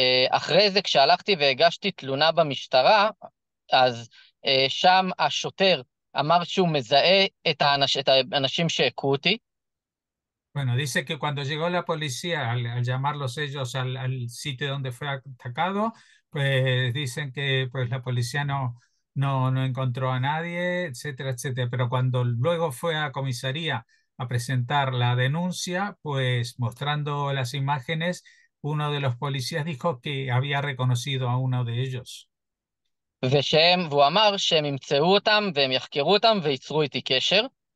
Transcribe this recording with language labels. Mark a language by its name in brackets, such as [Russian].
[Hebrew] אחרי זה כשהלכתי והגשתי תלונה במשטרה, אז שם השוטר אמר שהוא מזהה את האנשים שהכו אותי. [Spanish] Bueno, dice que cuando llegó la policía al llamarlos ellos al sitio donde fue atacado, pues dicen que pues la policía no encontró a nadie, etcétera, etcétera. Pero cuando luego fue a comisaría a presentar la denuncia, pues mostrando las imágenes, uno de los policías dijo que había reconocido a uno de ellos. [Hebrew] והוא אמר שהם ימצאו אותם והם יחקרו אותם וייצרו איתי קשר.